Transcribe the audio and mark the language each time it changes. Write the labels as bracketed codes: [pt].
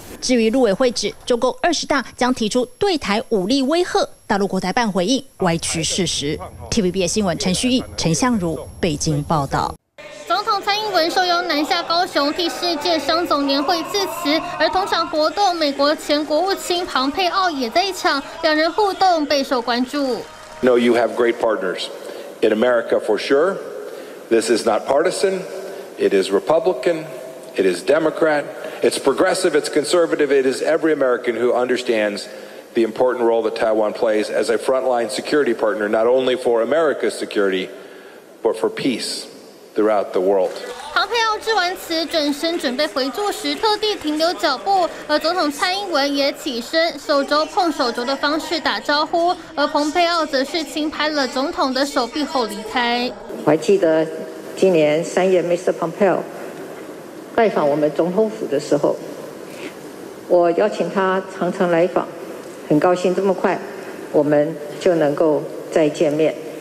[zh] 至于陆委会指中共二十大将提出对台武力威吓，大陆国台办回应歪曲事实。 TVBS 新闻陈旭毅、陈向如北京报道。总统蔡英文受邀南下高雄替世界商总年会致辞，而同场活动美国前国务卿蓬佩奥也在场，两人互动备受关注。 [en] No, you have great partners in America for sure. This is not partisan. It is Republican. It is Democrat. It's progressive. It's conservative. It is every American who understands the important role that Taiwan plays as a frontline security partner, not only for America's security, but for peace. Throughout the world. [zh] 蓬佩奥致完词，转身准备回座时，特地停留脚步。而总统蔡英文也起身，手肘碰手肘的方式打招呼。而蓬佩奥则是轻拍了总统的手臂后离开。我还记得今年三月 ，Mr. Pompeo 拜访我们总统府的时候，我邀请他常常来访，很高兴这么快我们就能够再见面。